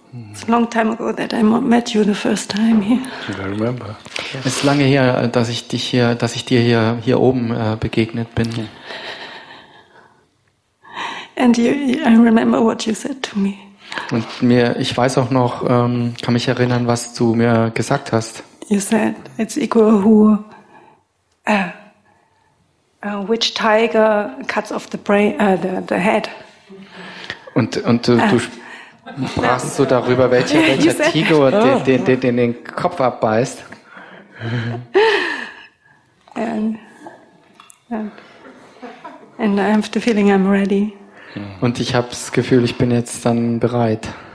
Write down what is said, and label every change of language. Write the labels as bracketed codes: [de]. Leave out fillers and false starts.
[en] It's a long time ago that I met you the first time here. I remember. [de] Es ist lange her, dass ich dir hier oben begegnet bin. [en] And I remember what you said to me. [de] Und ich weiß auch noch, kann mich erinnern, was du mir gesagt hast. [en] You said it's equal who which tiger cuts off the brain, the head. [de] Und du sprachst so darüber, welcher said, Tiger den Kopf abbeißt. [en] And I have the feeling I'm ready. [de] Und ich habe das Gefühl, ich bin jetzt dann bereit.